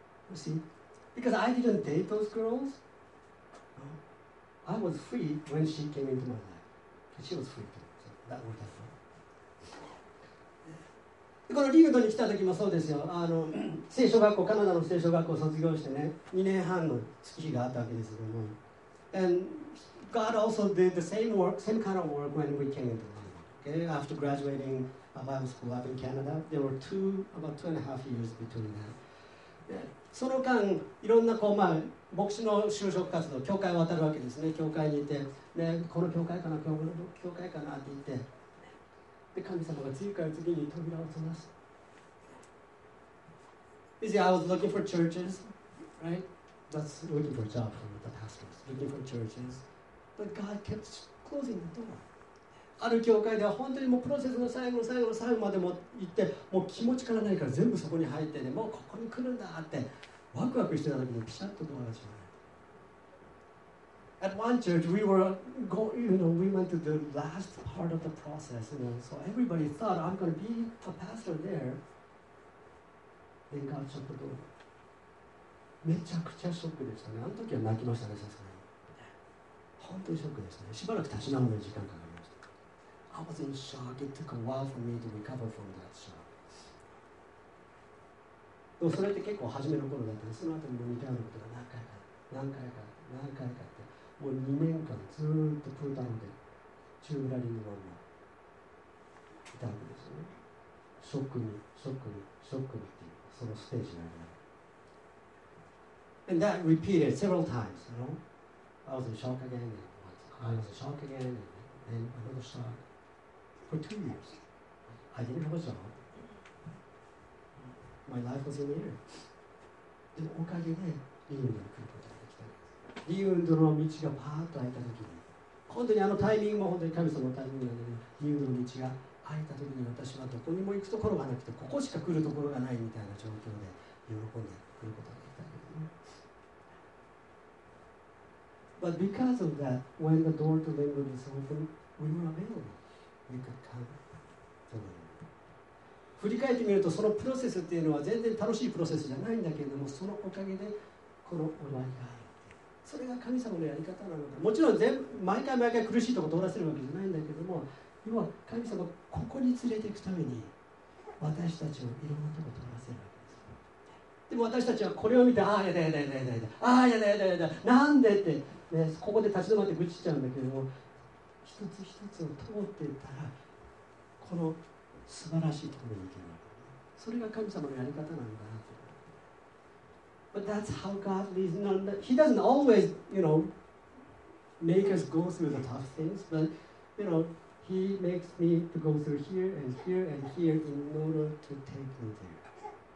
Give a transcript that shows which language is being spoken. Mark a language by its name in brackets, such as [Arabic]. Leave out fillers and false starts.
[English] You see, because I didn't date those girls, I was free when she came into my life. She was free too, so that worked out well. [Japanese] このリグドに来た時もそうですよ。あの聖書学校、カナダの聖書学校を卒業してね、2年半の月日があったわけですけども。 [English] And God also did the same kind of work when we came into Canada. Okay, after graduating. Bible school up in Canada. There were about two and a half years between that. [Japanese] その間、いろんなこう、まあ、牧師の就職活動、教会を渡るわけですね。教会にいて、でこの教会かな、この教会かなって言って、で神様が次から次に扉を閉ざす。 [English] You see, I was looking for churches, right? That's looking for a job from the pastors, looking for churches. But God kept closing the door. [Japanese] ある教会では本当にもうプロセスの最後の最後の最後までも行ってもう気持ちからないから全部そこに入ってねもうここに来るんだってワクワクしてた時にピシャッとドアが閉まる。 [English] At one church we were going, you know, we went to the last part of the process, you know, so everybody thought I'm going to be a pastor there. Then God shut the door. [Japanese] めちゃくちゃショックでしたね。あの時は泣きましたね、さすがに。本当にショックですね。しばらく立ち直る時間かかる。 [English] I was in shock. It took a while for me to recover from that shock. [Japanese] でもそれって結構初めの頃だったね。その後にも似たようなことが何回か、何回か、何回かって、もう2年間ずっとプータンで、チューブラリングのまま、いたんですよね。ショックに、ショックに、ショックにっていう、そのステージがある。 [English] And that repeated several times, you know. I was in shock again, and I was in shock again, and then another shock. For 2 years, I didn't have a job. My life was in the air. [Japanese] でもおかげで、リウンドに来ることができたんです。リウンドの道がパーッと開いたときに、本当にあのタイミングも本当に神様のタイミングなので、ね、リウンドの道が開いたときに私はどこにも行くところがなくて、ここしか来るところがないみたいな状況で喜んで来ることができたんですね。 [English] But because of that, when the door to Lingwood is open, we were available. We could come to Lingwood. [Japanese] 振り返ってみると、そのプロセスっていうのは全然楽しいプロセスじゃないんだけれども、そのおかげでこの終わりがある。それが神様のやり方なのか。もちろん毎回毎回苦しいところを通らせるわけじゃないんだけれども、要は神様ここに連れていくために私たちをいろんなところを通らせるわけです。でも私たちはこれを見て、ああやだやだやだやだやだ、ああやだやだやだ、なんでって、ね、ここで立ち止まって愚痴っちゃうんだけれども、一つ一つを通っていったらこの素晴らしいところに行けるわけ。それが神様のやり方なのかなと。 [English] But that's how God leads. No, He doesn't always, you know, make us go through the tough things. But, you know, He makes me to go through here and here and here in order to take me there.